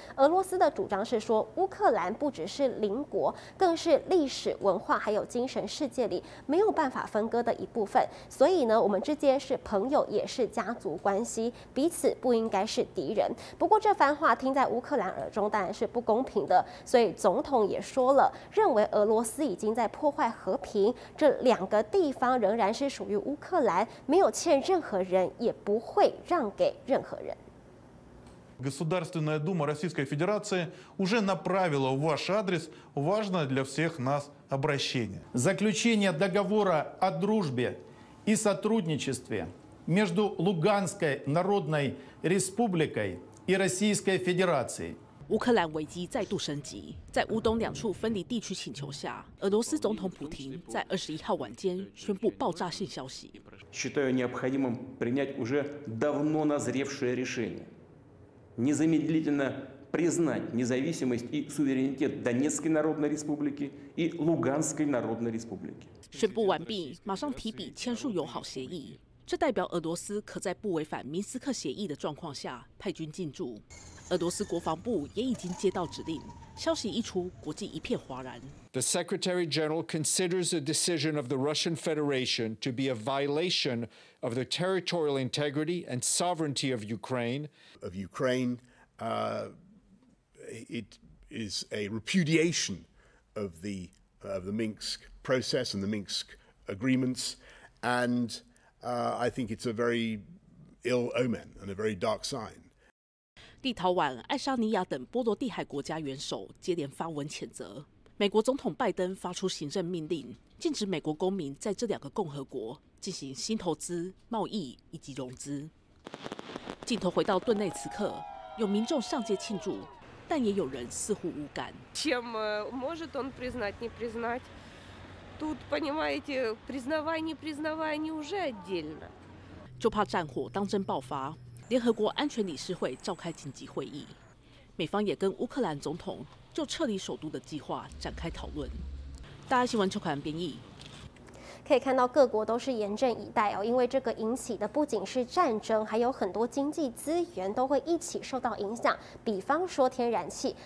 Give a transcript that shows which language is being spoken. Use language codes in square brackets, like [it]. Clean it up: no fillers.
[zh] 俄罗斯的主张是说，乌克兰不只是邻国，更是历史文化还有精神世界里没有办法分割的一部分，所以呢，我们之间是朋友也是家族关系，彼此不应该是敌人。不过这番话听在乌克兰耳中当然是不公平的，所以总统也说了，认为俄罗斯已经在破坏和平，这两个地方仍然是属于乌克兰，没有欠任何人，也不会让给任何人。 [ru] Государственная дума Российской Федерации уже направила в ваш адрес важное для всех нас обращение. Заключение договора о дружбе и сотрудничестве между Луганской Народной Республикой и Российской Федерацией. [zh] 乌克兰危机再度升级，在乌东两处分离地区请求下，俄罗斯总统普廷在21号晚间宣布爆炸性消息。 [ru] Считаю необходимым принять уже давно назревшее решение. Незамедлительно признать независимость и суверенитет Донецкой Народной Республики и Луганской Народной Республики. [zh] 宣布完毕，马上提笔签署友好协议，这代表俄罗斯可在不违反明斯克协议的状况下派军进驻。俄罗斯国防部也已经接到指令，消息一出，国际一片哗然。 [en] The Secretary General considers the decision of the Russian Federation to be a violation of the territorial integrity and sovereignty of Ukraine. Of Ukraine, it is a repudiation of the Minsk process and the Minsk agreements, and I think it's a very ill omen and a very dark sign. [zh] 立陶宛、爱沙尼亚等波罗的海国家元首接连发文谴责，美国总统拜登发出行政命令，禁止美国公民在这两个共和国进行新投资、贸易以及融资。镜头回到顿内茨克，有民众上街庆祝，但也有人似乎无感。 [ru] Чем может он признать, не признать? Тут, понимаете, признавай, не признавай, не уже отдельно. [zh] 就怕战火当真爆发。联合国安全理事会召开紧急会议，美方也跟乌克兰总统就撤离首都的计划展开讨论。大爱新闻邱凯安编译。可以看到各国都是严阵以待，因为这个引起的不仅是战争，还有很多经济资源都会一起受到影响，比方说天然气。